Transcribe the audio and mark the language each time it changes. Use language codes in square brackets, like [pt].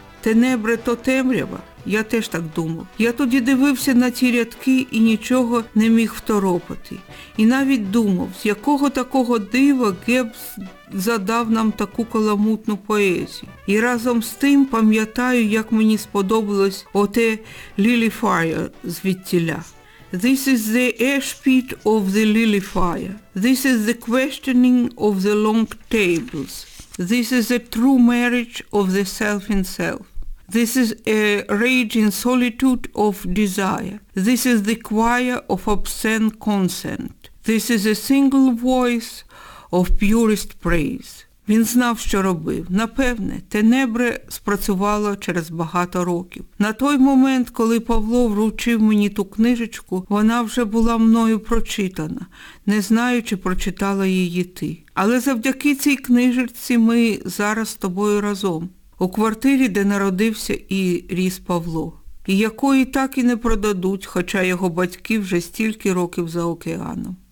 [uk] Тенебри – то темрява? Я теж так думав. Я тоді дивився на ці рядки і нічого не міг второпати. І навіть думав, з якого такого дива Геб задав нам таку каламутну поезію. І разом з тим пам'ятаю, як мені сподобалось оте «Lily Fire» звідтіля. [en] This is the ash pit of the lily fire. This is the questioning of the long tables. This is the true marriage of the self in self. This is a rage in solitude of desire. This is the choir of obscene consent. This is a single voice of purest praise. [uk] Він знав, що робив. Напевне, тенебре спрацювало через багато років. На той момент, коли Павло вручив мені ту книжечку, вона вже була мною прочитана, не знаю, чи прочитала її ти. Але завдяки цій книжечці ми зараз з тобою разом, у квартирі, де народився і ріс Павло, і якої так і не продадуть, хоча його батьки вже стільки років за океаном.